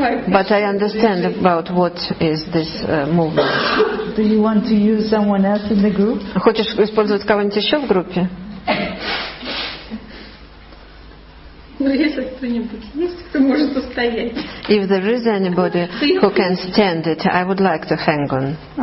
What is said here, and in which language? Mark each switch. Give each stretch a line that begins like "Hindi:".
English: But I understand about what is this movement. Do you want to use someone else in the group?
Russian: Хочешь использовать кого-нибудь еще в группе?
English: If there is anybody who can stand it, I would like to hang on.